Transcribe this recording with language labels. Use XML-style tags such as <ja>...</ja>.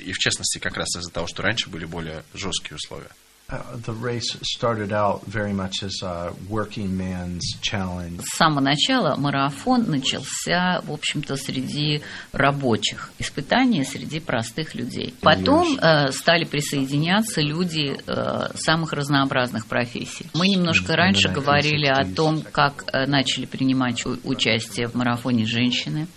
<ru>И в частности, как раз из-за того, что раньше были более жесткие условия.</ru> <en>The race started out very much as a working man's challenge.</en> <ru>С самого начала марафон начался, в общем-то, среди рабочих. Испытания среди простых людей. Потом стали присоединяться люди самых разнообразных профессий. Мы немножко раньше говорили о том, как начали принимать участие в марафоне женщины.</ru>